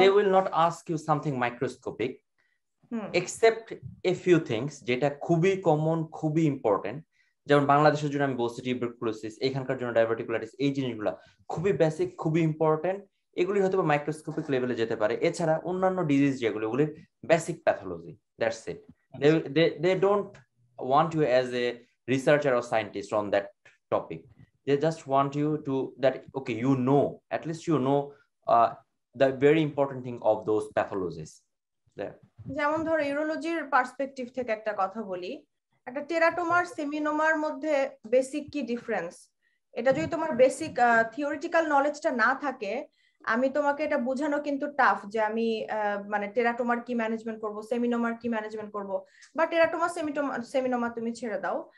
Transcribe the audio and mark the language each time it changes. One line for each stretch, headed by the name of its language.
English: they will not ask you something microscopic except a few things,
Bangla: যেটা খুবই common, খুবই important. যেমন বাংলাদেশের জন্য আমি বলছি টিউবারকুলোসিস, এখানকার জন্য ডায়াবেটিকুলাইটিস, এই জিনিসগুলো খুবই বেসিক, খুবই ইম্পর্টেন্ট, এগুলি হয়তো বা মাইক্রোস্কোপিক লেভেলে যেতে পারে। এছাড়া অন্যান্য ডিজিজ যেগুলো, ওগুলি basic pathology,
English: That's it. They don't want you as a researcher or scientist on that topic, they just want you to that okay you know, at least you know the very important thing of those pathologies there.
Bangla: যেমন ধর ইউরোলজির perspective থেকে একটা কথা বলি, একটা টেরাটোমার সেমিনোমার মধ্যে basic কি difference, এটা যদি তোমার বেসিক থিওরিটিক্যাল নলেজটা না থাকে, আমি তোমাকে এটা বোঝানো কিন্তু টাফ যে আমি মানে টেরাটোমার কি ম্যানেজমেন্ট করব, সেমিনোমার কি ম্যানেজমেন্ট করব, বা টেরাটোমা সেমিনোমা তুমি ছেড়ে দাও।